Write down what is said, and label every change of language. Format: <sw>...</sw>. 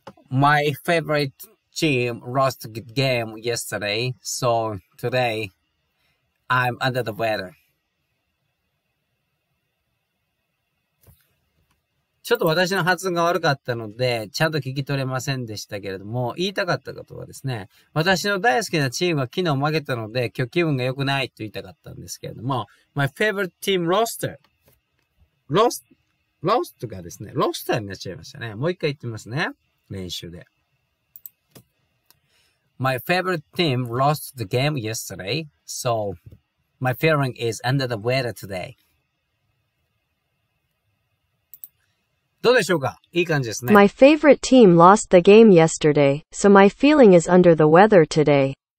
<en>My favorite team lost a good game yesterday, so today I'm under the weather.</en> <ja>ちょっと私の発音が悪かったので、ちゃんと聞き取れませんでしたけれども、言いたかったことはですね、私の大好きなチームは昨日負けたので、今日気分が良くないと言いたかったんですけれども、</ja> <en>My favorite team roster。</en> <ja>Lost がですね、ロスターになっちゃいましたね。もう一回言ってみますね。練習で。</ja> <en>My favorite team lost the game yesterday, so my feeling is under the weather today.</en> <ja>どうでしょうか？いい感じですね。</ja> <en>My favorite team lost the game yesterday, so my feeling is under the weather today.</en>